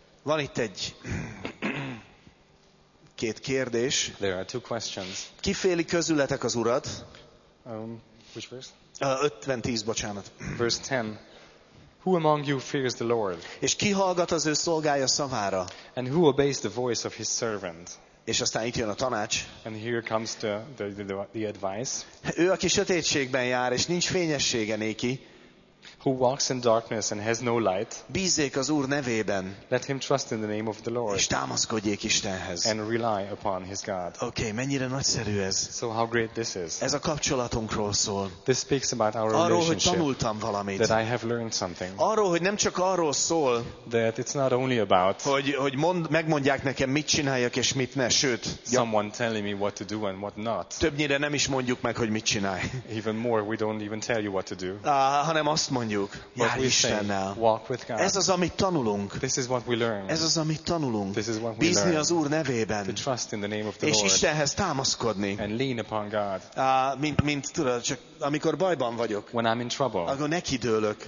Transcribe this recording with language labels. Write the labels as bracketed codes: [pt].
[hu] Van itt egy két kérdés. [en] There are two questions. [hu] Ki féli közületek az Urat? [en] Which verse? [hu] 50-10, bocsánat. [en] Verse 10. Who among you fears the Lord? [hu] És ki hallgat az ő szolgája szavára? [en] And who obeys the voice of his servant? [hu] És aztán itt jön a tanács. [en] And here comes the advice. [hu] Ő, aki sötétségben jár, és nincs fényessége néki, [en] who walks in darkness and has no light, [hu] bízzék az Úr nevében, [en] let him trust in the name of the Lord, [hu] és támaszkodjék Istenhez, [en] and rely upon his God. [hu] Okay, mennyire nagyszerű ez. [en] So how great this is. [hu] Ez a kapcsolatunkról szól. [en] This speaks about our [hu] arról, [en] relationship. [hu] Arról, hogy tanultam valamit. [en] That I have learned something. [hu] Arról, hogy nem csak arról szól, [en] that it's not only about, [hu] hogy megmondják nekem, mit csináljak és mit ne, sőt, [en] someone telling me what to do and what not. [hu] Többnyire nem is mondjuk meg, hogy mit csinálj. [en] Even more, we don't even tell you what to do. [hu] Hanem azt mondjuk, jár Istennel. Ez az, amit tanulunk. [en] This is what we learn. [hu] Ez az, amit tanulunk. [en] This is what we [hu] bízni [en] learn. [hu] Az Úr nevében. [en] To trust in the name of the [hu] és [en] Lord. [hu] Istenhez támaszkodni. [en] And lean upon God. [hu] Mint tudod, csak amikor bajban vagyok. [en] When I'm in trouble. [hu] Akkor neki dőlök.